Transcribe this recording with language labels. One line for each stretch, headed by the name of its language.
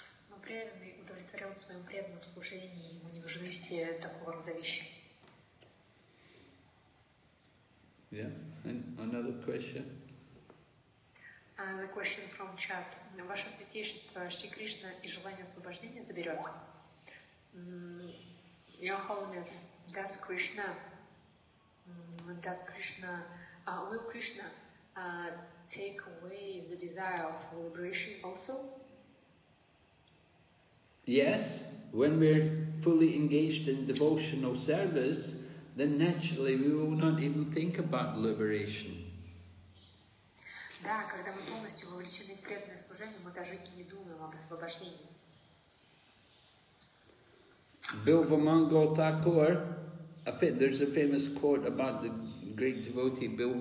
Russian: Но преданный удовлетворен в своем преданном служении, ему не нужны все такого рода вещи.
English: Yeah, and another question. The question from chat.
Russian: Ваше святейшество, Шри Кришна и желание освобождения заберет?
English: Your Holiness, will Krishna take away the desire of liberation also? Yes, when we're fully engaged in devotional service, then naturally we will not even think about liberation.
Russian: Да, когда мы полностью вовлечены в преданное служение, мы даже и не думаем об освобождении.
English: B.V.V. Narasimha, there's a famous quote about the great devotee B.V.V.